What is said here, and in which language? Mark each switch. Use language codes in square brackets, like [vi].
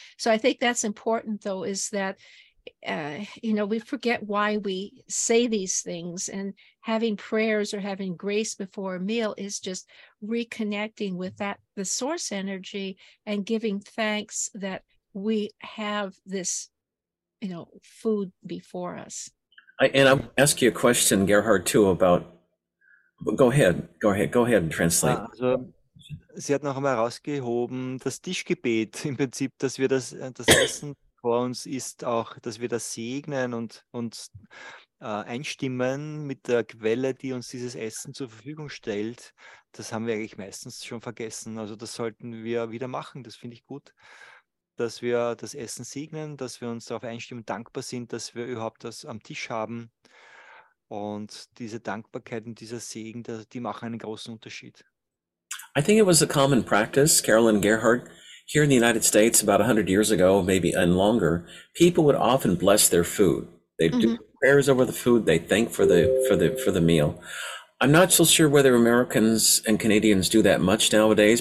[en] So I think that's important, though, is that, you know, we forget why we say these things, and having prayers or having grace before a meal is just reconnecting with that, the source energy, and giving thanks that we have this, you know, food before us. I'll ask you a question, Gerhard, too, about, go ahead and translate. [de] Sie hat noch einmal herausgehoben, das Tischgebet im Prinzip, dass wir das Essen vor uns ist, auch, dass wir das segnen und uns einstimmen mit der Quelle, die uns dieses Essen zur Verfügung stellt. Das haben wir eigentlich meistens schon vergessen. Also das sollten wir wieder machen. Das finde ich gut, dass wir das Essen segnen, dass wir uns darauf einstimmen, dankbar sind, dass wir überhaupt das am Tisch haben. Und diese Dankbarkeit und dieser Segen, die machen einen großen Unterschied. [en] I think it was a common practice, Carolyn Gerhardt, here in the United States about 100 years ago, maybe and longer, people would often bless their food. They'd mm-hmm. do prayers over the food. They thank for the meal. I'm not so sure whether Americans and Canadians do that much nowadays.